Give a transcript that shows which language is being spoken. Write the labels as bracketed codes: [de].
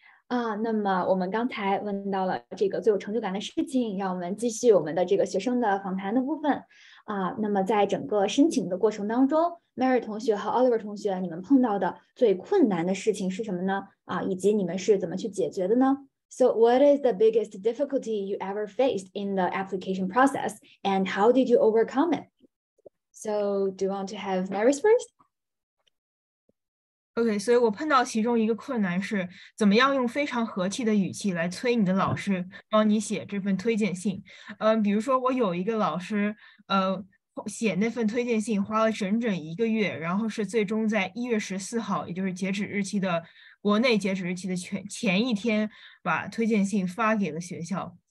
[zh] 那么我们刚才问到了这个最有成就感的事情，让我们继续我们的这个学生的访谈的部分。那么在整个申请的过程当中， Mary 同学和 Oliver 同学，你们碰到的最困难的事情是什么呢？以及你们是怎么去解决的呢？ [en] So what is the biggest difficulty you ever faced in the application process, and how did you overcome it? So do you want to have Mary's first? [zh] OK, 所以我碰到其中一个困难是怎么样用非常和气的语气来催你的老师帮你写这份推荐信。比如说我有一个老师写那份推荐信花了整整一个月，然后是最终在1月14号，也就是截止日期的国内截止日期的前一天把推荐信发给了学校。